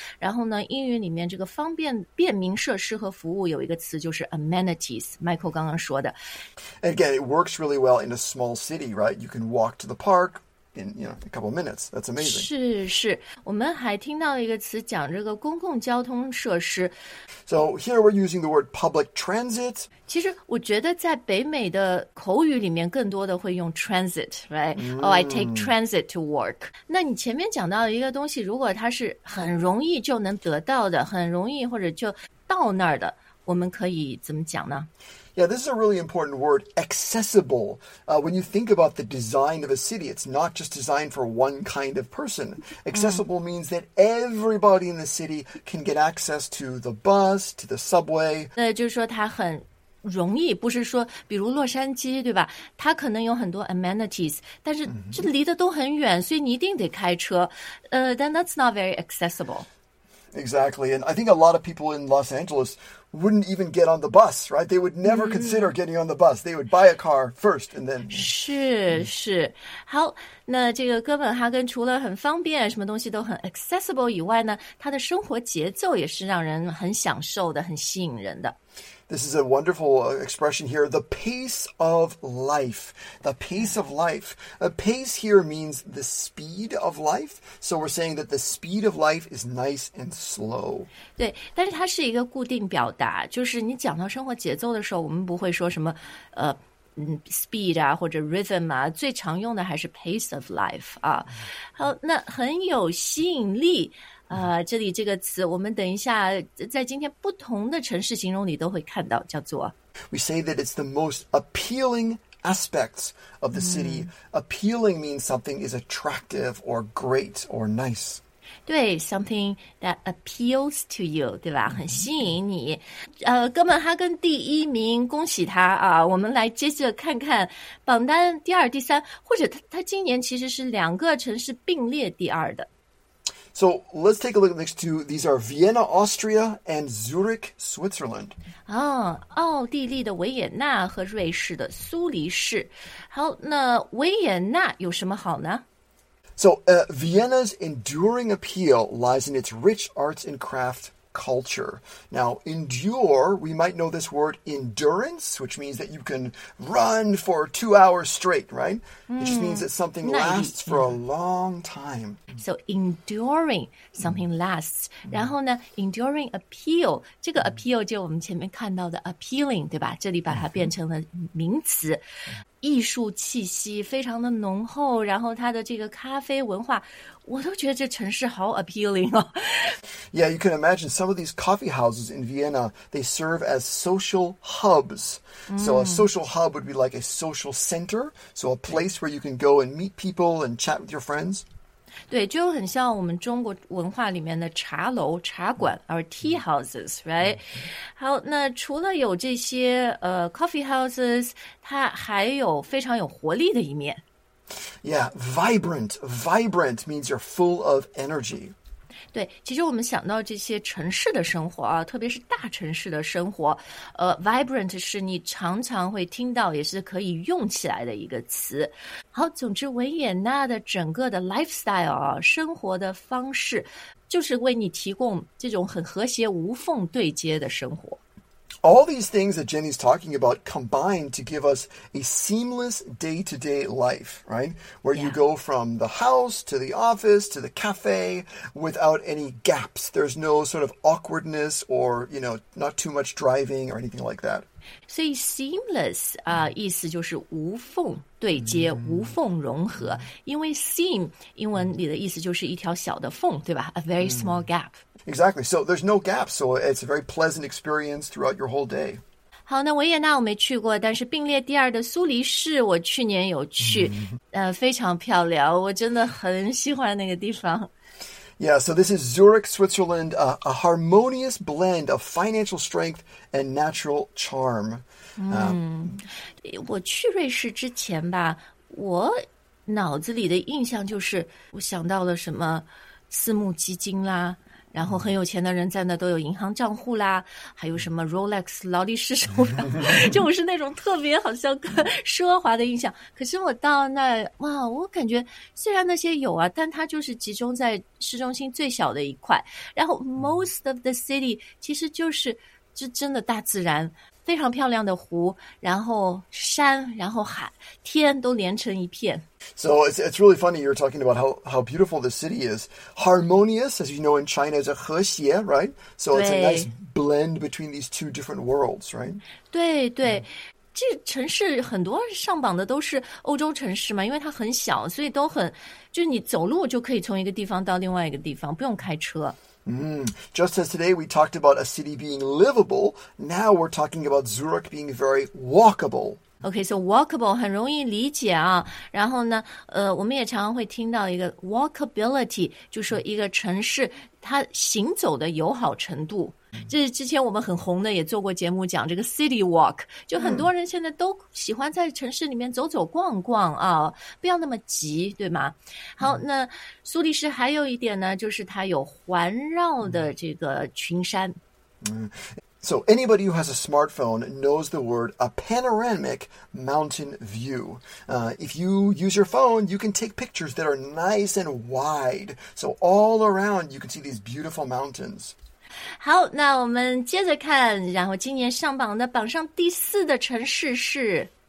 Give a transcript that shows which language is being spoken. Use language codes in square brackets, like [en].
[zh] 然后呢，英语里面这个方便便民设施和服务有一个词就是 amenities， Michael 刚刚说的。 [en] Again, it works really well in a small city, right? You can walk to the park, in a couple of minutes. That's amazing. [zh] 是是，我们还听到一个词讲这个公共交通设施。 [en] So here we're using the word public transit. [zh] 其实我觉得在北美的口语里面更多的会用 transit, [en] right?、 Mm. Oh, I take transit to work. [zh] 那你前面讲到一个东西，如果它是很容易就能得到的，很容易或者就到那儿的，我们可以怎么讲呢？ [en] Yeah, this is a really important word, accessible. When you think about the design of a city, it's not just designed for one kind of person. Accessible means that everybody in the city can get access to the bus, to the subway. [zh] 那就是说它很容易，不是说比如洛杉矶，对吧？它可能有很多 amenities, 但是这离得都很远，所以你一定得开车。 [en] Then that's not very accessible. Exactly. And I think a lot of people in Los Angeles wouldn't even get on the bus, right? They would never consider getting on the bus. They would buy a car first and then... [zh] 是是。好，那这个哥本哈根除了很方便，什么东西都很 accessible 以外呢，它的生活节奏也是让人很享受的，很吸引人的。 [en] This is a wonderful expression here. The pace of life. The pace of life. A pace here means the speed of life. So we're saying that the speed of life is nice and slow. [zh] 对，但是它是一个固定表达，就是你讲到生活节奏的时候，我们不会说什么speed 啊或者 rhythm 啊，最常用的还是 pace of life 啊。好，那很有吸引力。这里这个词我们等一下在今天不同的城市形容里都会看到，叫做 [en] We say that it's the most appealing aspects of the city. Appealing means something is attractive or great or nice. 对， something that appeals to you, [zh] 对吧？很吸引你。哥本哈根第一名，恭喜他啊！我们来接着看看榜单第二、第三，或者他今年其实是两个城市并列第二的。 [en] So let's take a look at next two. These are Vienna, Austria, and Zurich, Switzerland. [zh] Oh, 奥地利的维也纳和瑞士的苏黎世。好，那维也纳有什么好呢？ [en] So Vienna's enduring appeal lies in its rich arts and crafts. Culture. Now, endure, we might know this word endurance, which means that you can run for 2 hours straight, right? It just means that something lasts for a long time. So enduring, something lasts. [zh] 然后呢 enduring appeal, 这个 appeal 就我们前面看到的 appealing, 对吧？这里把它变成了名词。艺术气息非常的浓厚，然后它的这个咖啡文化，我都觉得这城市好 appealing 哦。 [en] Yeah, you can imagine some of these coffee houses in Vienna, they serve as social hubs. So a social hub would be like a social center, so a place where you can go and meet people and chat with your friends. [zh] 对，就很像我们中国文化里面的茶楼、茶馆 [en] or tea houses, right? [zh] 好，那除了有这些coffee houses, 它还有非常有活力的一面。 [en] Yeah, vibrant. Vibrant means you're full of energy. [zh] 对，其实我们想到这些城市的生活啊，特别是大城市的生活，vibrant 是你常常会听到，也是可以用起来的一个词。好，总之维也纳的整个的 lifestyle 啊，生活的方式，就是为你提供这种很和谐、无缝对接的生活。 [en] All these things that Jenny's talking about combine to give us a seamless day-to-day life, right? Where you go from the house to the office to the cafe without any gaps. There's no sort of awkwardness or, you know, not too much driving or anything like that. [zh] So seamless, 意思就是无缝对接、无缝融合。因为 seam, 英文里的意思就是一条小的缝，对吧？ [en] A very small gap. Exactly. So there's no gap. So it's a very pleasant experience throughout your whole day. [zh] 好，那维也纳我没去过，但是并列第二的苏黎世我去年有去，非常漂亮，我真的很喜欢那个地方。 [en] Yeah, so this is Zurich, Switzerland, a harmonious blend of financial strength and natural charm. [zh] 我去瑞士之前吧，我脑子里的印象就是我想到了什么私募基金啦。然后很有钱的人在那都有银行账户啦，还有什么 Rolex 劳力士手表，就是那种特别好像奢华的印象。可是我到那，哇，我感觉虽然那些有啊，但它就是集中在市中心最小的一块。然后 [en] most of the city [zh] 其实就是真的大自然。非常漂亮的湖，然后山，然后海，天都连成一片。 [en] So it's really funny you're talking about how beautiful the city is. Harmonious, as you know, in China is a 和谐, right? So it's a nice blend between these two different worlds, right? [zh] 对对。Mm. 这城市很多上榜的都是欧洲城市嘛，因为它很小，所以都很，就是你走路就可以从一个地方到另外一个地方，不用开车。 [en] Just as today we talked about a city being livable, now we're talking about Zurich being very walkable. [zh] Okay, so walkable 很容易理解啊。然后呢，我们也常常会听到一个 walkability, 就说一个城市它行走的友好程度。这之前我们很红的也做过节目讲这个 city walk, 就很多人现在都喜欢在城市里面走走逛逛啊，不要那么急，对吗？好，那苏黎世还有一点呢，就是它有环绕的这个群山。 [en] So anybody who has a smartphone knows the word a panoramic mountain view. If you use your phone, you can take pictures that are nice and wide. So all around, you can see these beautiful mountains. [zh] 好，那我们接着看，然后今年上榜的榜上第四的城市是